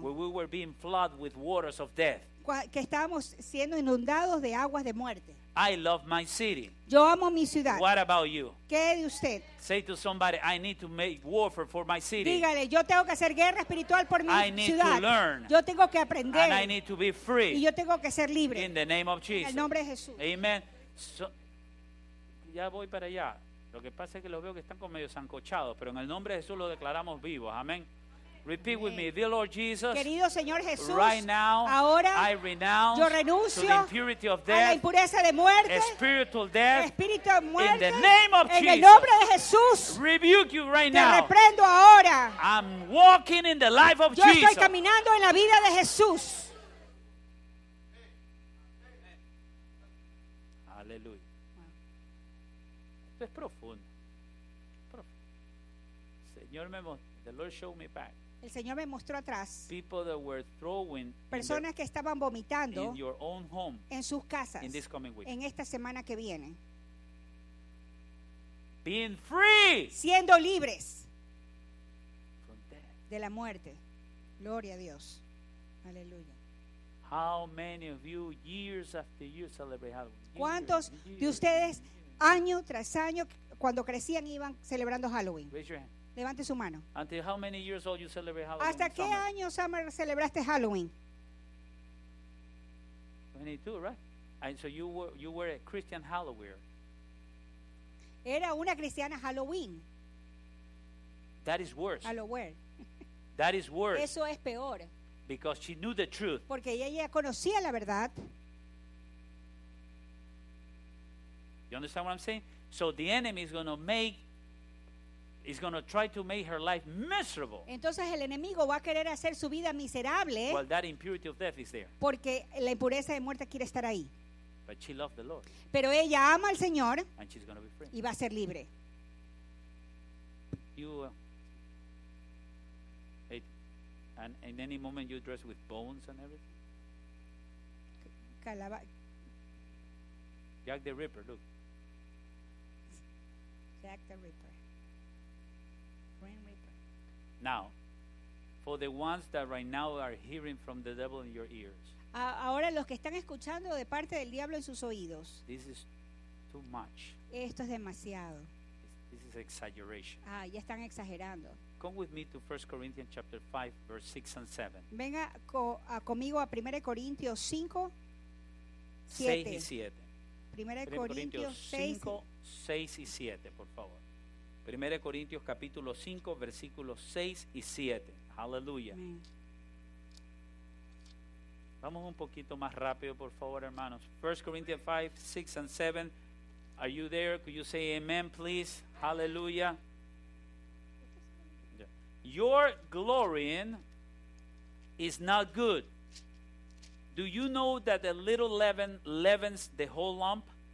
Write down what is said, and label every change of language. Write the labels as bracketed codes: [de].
[en] Where we were being flooded with waters of death. [es] Que estábamos siendo inundados de aguas de muerte. [en] I love my city. [es] Yo amo mi ciudad. [en] What about you? [es] ¿Qué de usted? [en] Say to somebody, I need to make warfare for my city. [es] Dígale, yo tengo que hacer guerra espiritual por mi [en] I need [es] ciudad. [en] To learn. [es] Yo tengo que aprender. [en] And I need to be free. [es] Y yo tengo que ser libre. [en] In the name of Jesus. [es] En el nombre de Jesús. Amen. So, ya voy para allá. Lo que pasa es que los veo que están como medio sancochados, pero en el nombre de Jesús los declaramos vivos. [en] Amén. Repeat Amen. With me, dear Lord Jesus. [es] Querido Señor Jesús, [en] right now, [es] ahora, [en] I renounce [es] yo renuncio [en] to the impurity of death, [es] a la impureza de muerte, [en] spiritual death, [es] espíritu de muerte, [en] in the name of [es] en [en] Jesus. [es] El nombre de Jesús. [en] Rebuke you right [es] te [en] now. [es] Reprendo ahora. [en] I'm walking in the life of [es] yo [en] Jesus. [es] Estoy caminando en la vida de Jesús. Aleluya. Esto es profundo. [en] Señor, the Lord show me back. [es] El Señor me mostró atrás. [en] People that were throwing [es] personas que estaban vomitando [en] in your own home [es] en sus casas [en] in this coming week. [es] En esta semana que viene. [en] Being free [es] siendo libres [en] from death. [es] De la muerte. Gloria a Dios. Aleluya. [en] How many of you years after you celebrate Halloween? [es] ¿Cuántos de ustedes año tras año cuando crecían iban celebrando Halloween? [en] Raise your hand. [es] Levante su mano. [en] Until how many years old you celebrate Halloween? [es] ¿Hasta qué [en] summer? [es] Año summer celebraste Halloween? [en] 22, right? And so you were a Christian Halloween. [es] Era una cristiana Halloween. [en] That is worse. Halloween. That is worse. [es] Eso es peor. [en] Because she knew the truth. [es] Porque ella conocía la verdad. [en] You understand what I'm saying? So the enemy is going to make is going to try to make her life miserable. [es] Entonces el enemigo va a querer hacer su vida miserable. [en] Well, that impurity of death is there. [es] Porque la impureza de muerte quiere estar ahí. [en] But she loved the Lord. [es] Pero ella ama al Señor. [en] And she's going to be free. [es] Y va a ser libre. [en] You and in any moment you dress with bones and everything. Jack the Ripper, look. Jack the Ripper. Grim Reaper. Now, for the ones that right now are hearing from the devil in your ears. [es] Ahora los que están escuchando de parte del diablo en sus oídos. [en] This is too much. [es] Esto es demasiado. [en] This is exaggeration. [es] Ah, ya están exagerando. [en] Come with me to 1 Corinthians chapter 5, verse 6 and 7. [es] Venga conmigo a 1 Corintios 5, 7. 6 y 7. 1 Corintios 5, 6 y 7, por favor. 1 Corintios capítulo 5, versículos 6 y 7. Aleluya. Vamos un poquito más rápido, por favor, hermanos. [en] 1 Corinthians 5, 6 and 7. Are you there? Could you say amen, please? Aleluya. Your glorying is not good. Do you know that a little leaven leavens the whole lump?